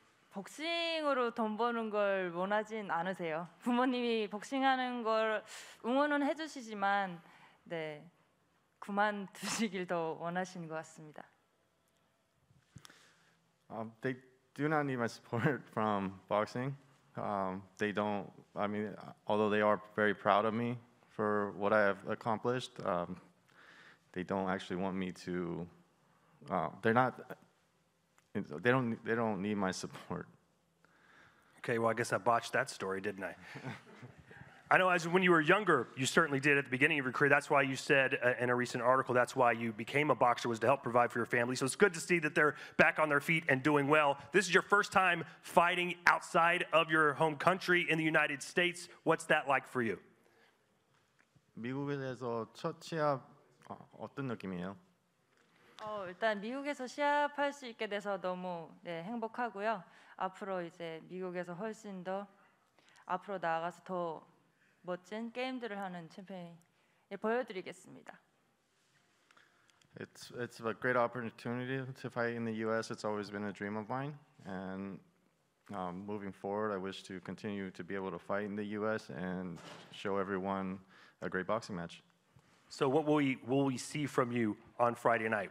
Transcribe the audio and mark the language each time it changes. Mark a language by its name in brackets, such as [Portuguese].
[Korean] 복싱으로 돈 버는 걸 원하진 않으세요. 부모님이 복싱하는 걸 응원은 해주시지만, 네, 그만두시길 더 원하시는 것 같습니다. [English] They do not need my support from boxing. They don't, I mean, although they are very proud of me for what I have accomplished, they don't actually want me to. They don't need my support. Okay, well, I guess I botched that story, didn't I? I know as when you were younger, you certainly did at the beginning of your career. That's why you said in a recent article, that's why you became a boxer, was to help provide for your family. So it's good to see that they're back on their feet and doing well. This is your first time fighting outside of your home country in the United States. What's that like for you? [Korean] 미국에서 첫 시합 어떤 느낌이에요? 일단 미국에서 시합할 수 있게 돼서 너무 네, 행복하고요. 앞으로 이제 미국에서 훨씬 더 앞으로 나아가서 더 멋진 게임들을 하는 챔피언을 보여드리겠습니다. [English] It's a great opportunity to fight in the U.S. It's always been a dream of mine, and moving forward, I wish to continue to be able to fight in the U.S. and show everyone a great boxing match. So, what will we see from you on Friday night?